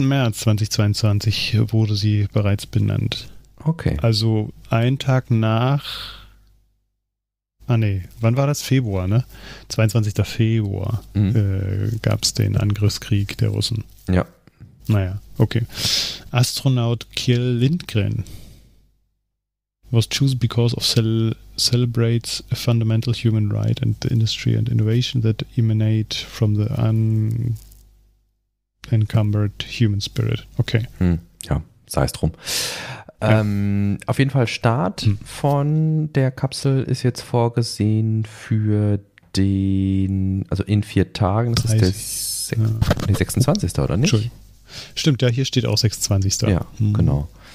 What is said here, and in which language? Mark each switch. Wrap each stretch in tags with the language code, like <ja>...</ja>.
<de>März 2022 wurde sie bereits benannt. Okay. Also ein Tag nach Ah nee, wann war das? Februar, ne? 22. Februar gab es den Angriffskrieg der Russen. Ja. Naja, okay.</de> <en>Astronaut Kjell Lindgren was chosen because of celebrates a fundamental human right and the industry and innovation that emanate from the unencumbered human spirit.</en> <de>Okay. Ja, sei es drum. Ja. Auf jeden Fall Start von der Kapsel ist jetzt vorgesehen für den, also in 4 Tagen, das 30, ist der 26. oder nicht? Stimmt, ja, hier steht auch 26. Ja, genau.</de>